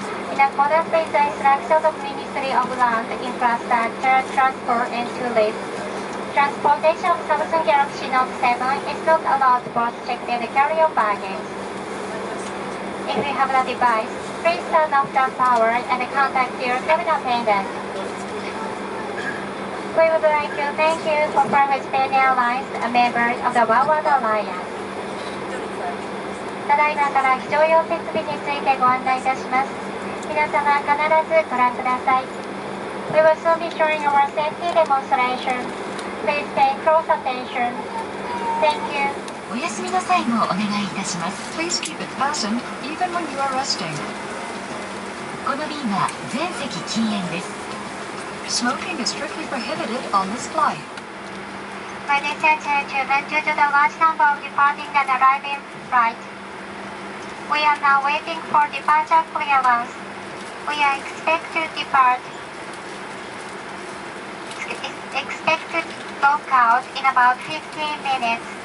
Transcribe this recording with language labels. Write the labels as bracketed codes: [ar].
[en] In accordance with the instructions of Ministry of Land, Infrastructure, Transport and Tourism, transportation of Samsung Galaxy Note 7 is not allowed for checked in the carry-on baggage. If you have the device, please turn off the power and contact your cabin attendant. We would like to thank you for flying with Japan Airlines, a member of the Worldwide Alliance. [ja] ただいまから非常用設備についてご案内いたします。皆様、必ずご覧ください。 [en] We will soon be showing our safety demonstration. Please pay close attention. Thank you. [ja] お休みの際もお願いいたします。 [en] Please keep it fastened even when you are resting. [ja] この便は全席禁煙です。 [en] Smoking is strictly prohibited on this flight. Ladies and gentlemen, due to the large number of departing and arriving flight, we are now waiting for departure clearance. We are expect to book out in about 15 minutes.